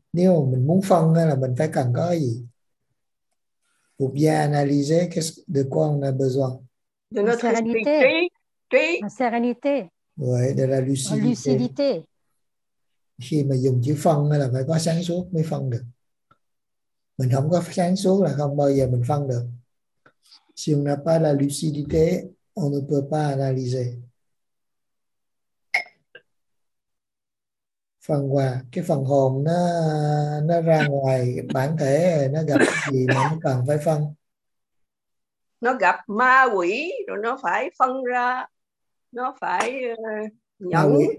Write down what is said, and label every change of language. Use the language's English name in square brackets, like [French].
[Vietnamese] Nếu mà mình muốn phân là mình phải cần có gì? [French] Pour bien analyser, de quoi on a besoin? De notre sérénité. La sérénité. Oui, de la lucidité. Lucidité. [Vietnamese] Khi mà dùng chữ phân là phải có sáng suốt mới phân được. Mình không có sáng suốt là không bao giờ mình phân được. [French] Si on n'a pas la lucidité, on ne peut pas analyser. [Vietnamese] Phần qua cái phần hồn nó ra ngoài bản thể, nó gặp gì mà nó cần phải phân, nó gặp ma quỷ rồi nó phải phân ra, nó phải nhận.